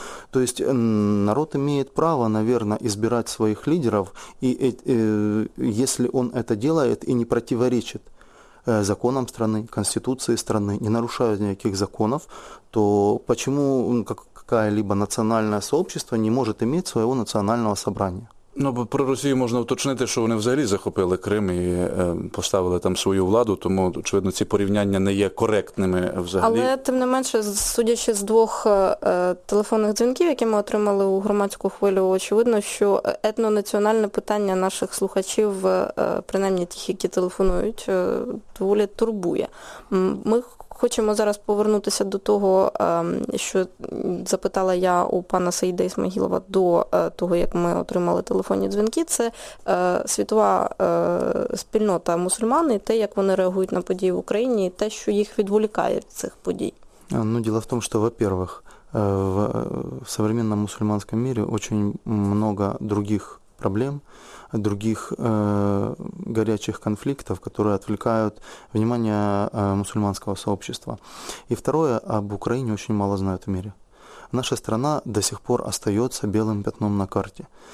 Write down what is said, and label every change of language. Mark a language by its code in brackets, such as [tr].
[ru] То есть народ имеет право, наверное, избирать своих лидеров, и если он это делает и не противоречит законам страны, конституции страны, не нарушают никаких законов, то почему какое-либо национальное сообщество не может иметь своего национального собрания? [uk] Ну, про Росію можна уточнити, що вони взагалі захопили Крим і поставили там свою владу, тому, очевидно, ці порівняння не є коректними взагалі. Але, тим не менше, судячи з двох телефонних дзвінків, які ми отримали у громадську хвилю, очевидно, що етнонаціональне питання наших слухачів, принаймні тих, які телефонують, доволі турбує. Ми хочемо зараз повернутися до того, що запитала я у пана Саїда Ісмагілова до того, як ми отримали телефонні дзвінки. Це світова спільнота мусульман і те, як вони реагують на події в Україні, і те, що їх відволікає від цих подій. Ну, діло в тому, що, [ru] во-первых, в современном мусульманском мире очень много других проблем, других горячих конфликтов, которые отвлекают внимание мусульманского сообщества. И второе, об Украине очень мало знают в мире. Наша страна до сих пор остается белым пятном на карте.